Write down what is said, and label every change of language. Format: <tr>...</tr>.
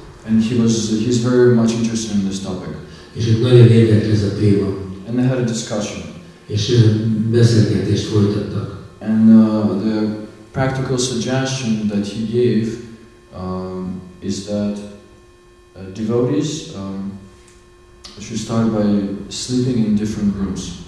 <en>And he's very much interested in this topic.</en> <hu>És ők nagyon érdekes a téma.</hu> <en>And they had a discussion.</en> <hu>És beszélgetést folytattak.</hu> <en>And the practical suggestion that he gave is that devotees should start by sleeping in different rooms.</en>